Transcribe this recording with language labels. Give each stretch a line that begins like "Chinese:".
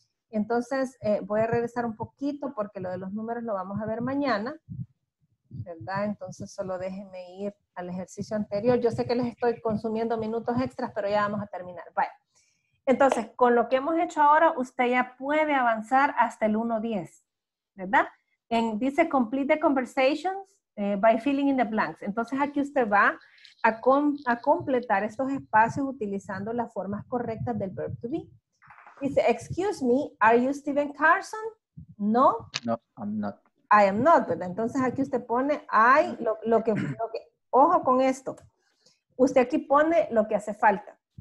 Spanish: Entonces, voy a regresar un poquito porque lo de los números lo vamos a ver mañana, ¿verdad? Entonces, solo déjenme ir al ejercicio anterior. Yo sé que les estoy consumiendo minutos extras, pero ya vamos a terminar. Vaya. Entonces, con lo que hemos hecho ahora, usted ya puede avanzar hasta el 1.10, ¿verdad?
English: Dice, complete the conversations by filling in the blanks.
Spanish: Entonces, aquí usted va a completar estos espacios utilizando las formas correctas del verb to be.
English: Dice, excuse me, are you Steven Carson? No. No, I'm not. I am not, ¿verdad?
Spanish: Entonces aquí usted pone, lo que, ojo con esto, usted aquí pone lo que hace falta.